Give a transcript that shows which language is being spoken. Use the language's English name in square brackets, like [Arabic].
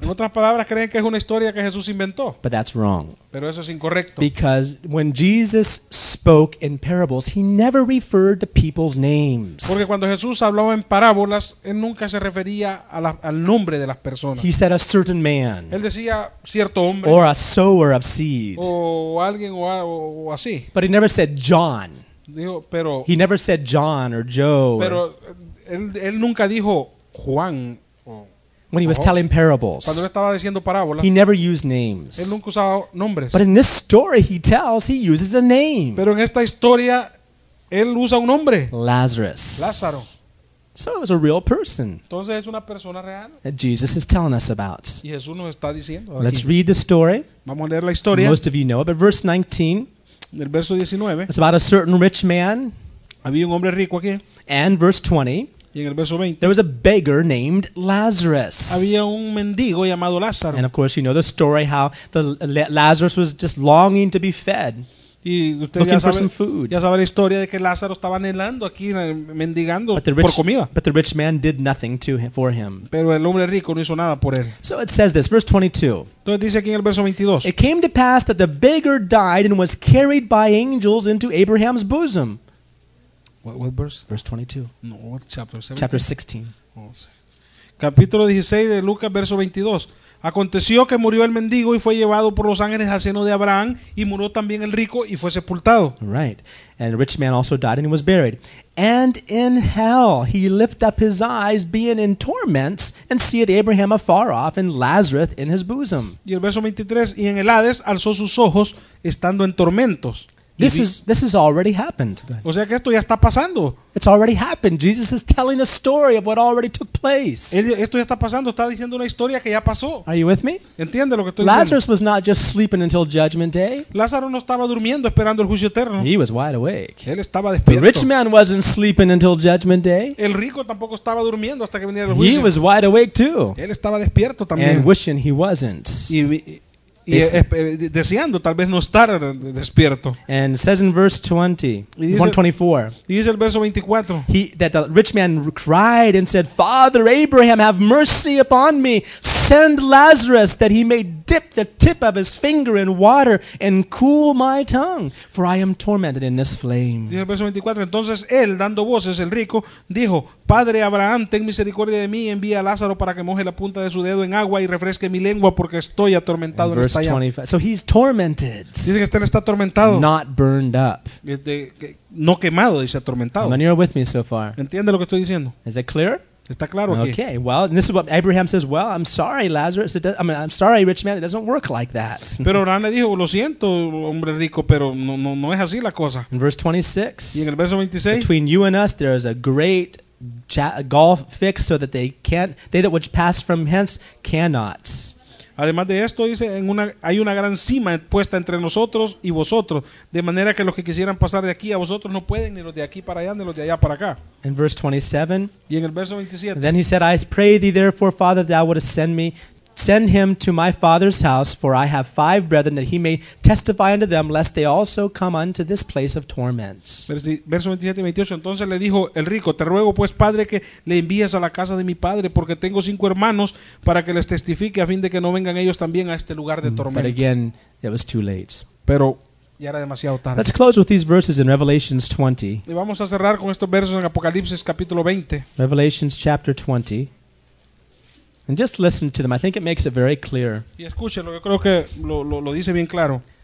[Spanish] En otras palabras, creen que es una historia que Jesús inventó. [English] But that's wrong. [Spanish] Pero eso es incorrecto. [English] Because when Jesus spoke in parables, he never referred to people's names. [Spanish] Porque cuando Jesús habló en parábolas, él nunca se refería a la, al nombre de las personas. [English] He said a certain man. [Spanish] Él decía cierto hombre. [English] Or a sower of seed. [Spanish] O alguien o así. [English] But he never said John. [Spanish] Dijo, pero, [English] he never said John or Joe. [Spanish] Pero él nunca dijo Juan. [English] When he was telling parables, [Spanish] cuando estaba diciendo parábolas, [English] he never used names. [Spanish] Él nunca usaba nombres. [English] But in this story, he tells he uses a name. [Spanish] Pero en esta historia, él usa un nombre. [English] Lazarus. [Spanish] Lázaro. [English] So it was a real person. [Spanish] Entonces es una persona real. [English] That Jesus is telling us about. [Spanish] Y Jesús nos está diciendo. [English] Let's read the story. [Spanish] Vamos a leer la historia. [English] Most of you know it, but verse 19. [Spanish] El verso 19, [English] it's about a certain rich man. [Spanish] Había un hombre rico aquí. [English] And verse 20, [Spanish] y en el verso 20, [English] there was a beggar named Lazarus. [Spanish] Había un mendigo llamado Lázaro. [English] And of course, you know the story how Lazarus was just longing to be fed. [Spanish] Y usted looking ya sabe, [English] for some food. [Spanish] Ya sabe la historia de que Lázaro estaba anhelando aquí, mendigando por comida. [English] But the rich man did nothing to him, for him. [Spanish] Pero el hombre rico no hizo nada por él. [English] So it says this, verse 22. [Spanish] Entonces dice aquí en el verso 22. [English] It came to pass that the beggar died and was carried by angels into Abraham's bosom. What verse? Verse 22. No, what chapter 17? Chapter 16. [Spanish] Capítulo 16 de Lucas, verso 22. Aconteció que murió el mendigo y fue llevado por los ángeles al seno de Abraham, y murió también el rico y fue sepultado. [English] Right. And the rich man also died and he was buried. And in hell he lift up his eyes, being in torments, and seeth Abraham afar off and Lazarus in his bosom. [Spanish] Y el verso 23, y en el Hades alzó sus ojos estando en tormentos. [English] This has already happened. [Spanish] O sea que esto ya está pasando. [English] It's already happened. Jesus is telling a story of what already took place. [Spanish] Esto ya está pasando. Está diciendo una historia que ya pasó. [English] Are you with me? [Spanish] ¿Entiende lo que estoy [English] Lazarus [Spanish] diciendo? [English] Was not just sleeping until judgment day. [Spanish] Lázaro no estaba durmiendo esperando el juicio eterno. [English] He was wide awake. [Spanish] Él estaba despierto. [English] The rich man wasn't sleeping until judgment day. [Spanish] El rico tampoco estaba durmiendo hasta que viniera el juicio. [English] He was wide awake too. [Spanish] Él estaba despierto también. [English] And wishing he wasn't. [Spanish] Y deseando tal vez no estar despierto. [English] And it says in verse 124. [Spanish] Dice el verso 24. [English] That the rich man cried and said, Father Abraham, have mercy upon me. Send Lazarus that he may dip the tip of his finger in water and cool my tongue, for I am tormented in this flame. [Spanish] Dice el verso 24. Entonces él, dando voces, el rico, dijo, Padre Abraham, ten misericordia de mí, envía a Lázaro para que moje la punta de su dedo en agua y refresque mi lengua porque estoy atormentado. [English] Verse 25. So he's tormented. [Spanish] Dice que usted está atormentado. [English] Not burned up. [Spanish] No quemado, dice atormentado. [English] And you're with me so far. [Spanish] ¿Entiende lo que estoy diciendo? [English] Is it clear? [Spanish] Está claro aquí. [English] Okay, well, and this is what Abraham says. Well, I'm sorry, Lazarus. I'm sorry, rich man. It doesn't work like that. [Spanish] Pero Abraham le dijo, lo siento, hombre rico, pero no es así la cosa. [English] In verse 26. [Spanish] Y en el verso 26. [English] Between you and us, there is a great gulf fixed so that they that which pass from hence cannot. [Spanish] Además de esto, dice, hay una gran cima puesta entre nosotros y vosotros, de manera que los que quisieran pasar de aquí a vosotros no pueden, ni los de aquí para allá, ni los de allá para acá. [English] In verse 27, [Spanish] y en el verso 27, [English] then he said, I pray thee therefore, Father, thou wouldest send him to my father's house, for I have five brethren, that he may testify unto them, lest they also come unto this place of torments. [Spanish] Verso 27 y 28, entonces le dijo el rico, te ruego pues, padre, que le envíes a la casa de mi padre, porque tengo cinco hermanos, para que les testifique, a fin de que no vengan ellos también a este lugar de tormento. [English] But again, it was too late. [Spanish] Pero ya era demasiado tarde. [English] Let's close with these verses in Revelation 20. [Spanish] Y vamos a cerrar con estos versos en Apocalipsis capítulo 20. [English] Revelation chapter 20. And just listen to them. I think it makes it very clear. [Spanish] Y escúchenlo, yo creo que lo dice bien claro.